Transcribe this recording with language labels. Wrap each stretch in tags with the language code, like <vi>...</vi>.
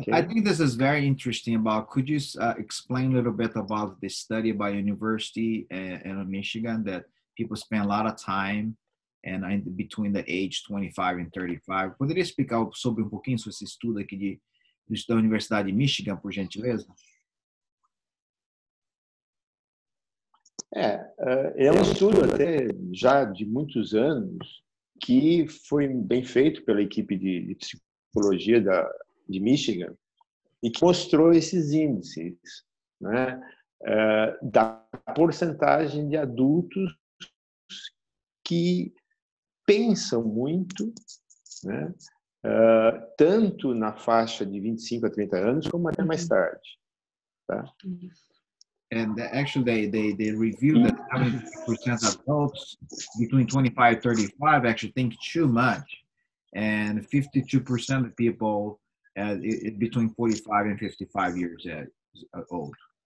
<en>I think this is very interesting about, could you explain a little bit about this study by university in Michigan that people spend a lot of time and in between the age 25 and 35.</en> <pt>Poderia explicar sobre um pouquinho sobre esse estudo aqui da Universidade de Michigan, por gentileza? É um estudo até já de muitos anos que foi bem feito pela equipe de psicologia de Michigan e que mostrou esses índices, né, da porcentagem de adultos que pensam muito, né? Tanto na faixa de 25 a 30 anos como até mais tarde. Tá?</pt> <en>And actually they reviewed that 70% of adults between 25 and 35 actually think too much, and 52% of people between 45 and 55 years old.</en>